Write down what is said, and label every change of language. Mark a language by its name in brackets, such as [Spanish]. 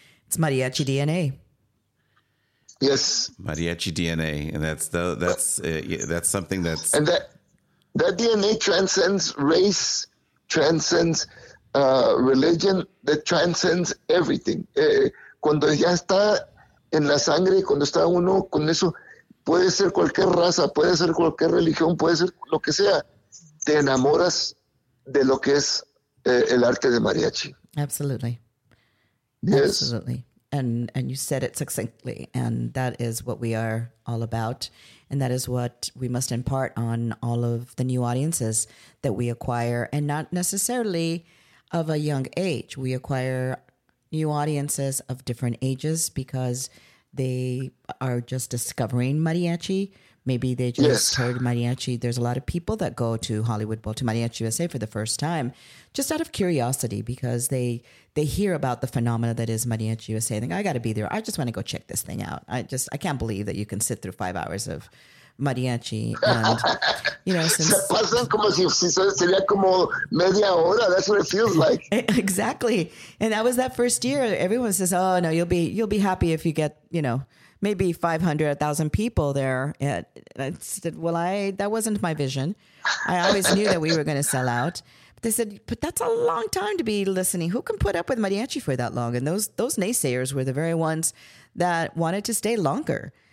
[English] It's mariachi DNA. Yes. Mariachi DNA. And that's something that's... And that DNA transcends race, transcends religion, that transcends everything. [Spanish] Cuando ya está en la sangre, cuando está uno con eso, puede ser cualquier raza, puede ser cualquier religión, puede ser lo que sea. Te enamoras de lo que es el arte de mariachi. [English] Absolutely. Yes. Absolutely. And you said it succinctly, and that is what we are all about, and that is what we must impart on all of the new audiences that we acquire, and not necessarily of a young age. We acquire new audiences of different ages because they are just discovering mariachi. Maybe they just heard mariachi. There's a lot of people that go to Hollywood Bowl, to Mariachi USA for the first time, just out of curiosity, because they hear about the phenomena that is Mariachi USA. They think, I got to be there. I just want to go check this thing out. I can't believe that you can sit through 5 hours of mariachi. And, you know, since... [Spanish] Se pasan como si sería como media hora. [English] That's what it feels like. Exactly. And that was that first year. Everyone says, oh, no, you'll be happy if you get, you know, maybe 500, 1,000 people there. That wasn't my vision. I always knew that we were going to sell out. But they said, but that's a long time to be listening. Who can put up with mariachi for that long? And those naysayers were the very ones that wanted to stay longer.